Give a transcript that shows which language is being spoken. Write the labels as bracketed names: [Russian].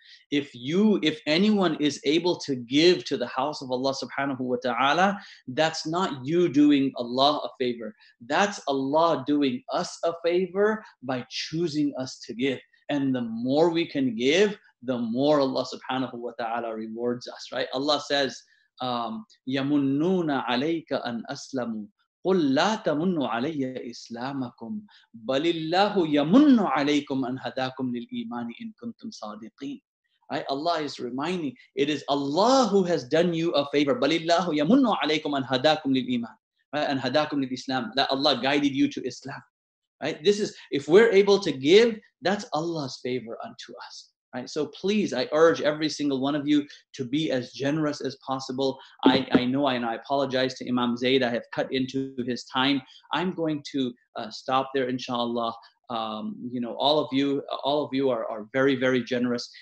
[English] If anyone is able to give to the house of Allah subhanahu wa ta'ala, that's not you doing Allah a favor. That's Allah doing us a favor by choosing us to give. And the more we can give, the more Allah subhanahu wa ta'ala rewards us, right? Allah says, [Arabic] يَمُنُّونَ عَلَيْكَ أَنْ أَسْلَمُوا قُلْ لَا تَمُنُّ عَلَيَّ إِسْلَامَكُمْ بَلِ اللَّهُ يَمُنُّ عَلَيْكُمْ أَنْ هَدَاكُمْ لِلْإِيمَانِ إِنْ كُنْتُمْ صَادِقِينَ [English] Right? Allah is reminding, it is Allah who has done you a favor. [Arabic] بَلِ اللَّهُ يَمُنُّ عَلَيْكُمْ أَنْ هَدَاكُمْ لِلْإِيمَانِ أَنْ هَدَاكُمْ لِلْإِسْلَامِ [English] That Allah guided you to Islam. Right? This is, if we're able to give, that's Allah's favor unto us. Right, so please, I urge every single one of you to be as generous as possible. I know, and I apologize to Imam Zaid, I have cut into his time. I'm going to stop there, inshallah. You know, all of you are very, very generous.